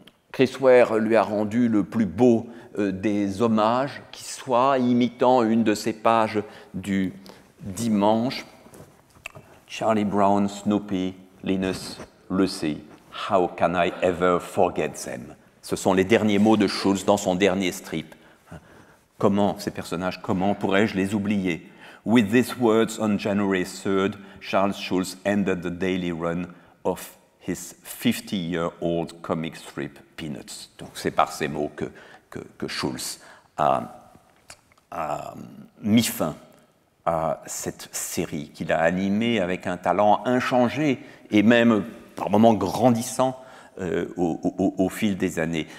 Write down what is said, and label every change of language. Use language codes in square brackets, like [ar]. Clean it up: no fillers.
[fr] Chris Ware lui a rendu le plus beau des hommages qui soit, imitant une de ses pages du dimanche. [en] Charlie Brown, Snoopy, Linus, Lucy, how can I ever forget them? [fr] Ce sont les derniers mots de Schulz dans son dernier strip. Comment, ces personnages, comment pourrais-je les oublier? [en] With these words on January 3rd, Charles Schulz ended the daily run of his 50-year-old comic strip Peanuts. [fr] Donc c'est par ces mots que Schulz a mis fin à cette série qu'il a animée avec un talent inchangé et même par moments grandissant au fil des années.